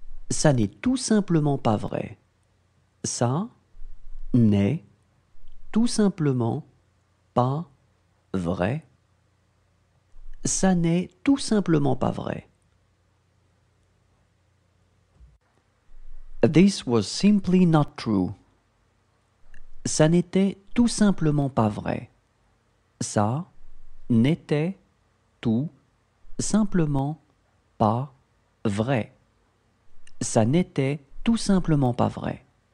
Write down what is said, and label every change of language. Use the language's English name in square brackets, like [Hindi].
[French] Ça n'est tout simplement pas vrai. Ça n'est tout simplement pas vrai. Ça n'est tout simplement pas vrai. [English] This was simply not true. [French] Ça n'était tout simplement pas vrai. Ça n'était tout simplement pas vrai. Ça n'était tout simplement pas vrai.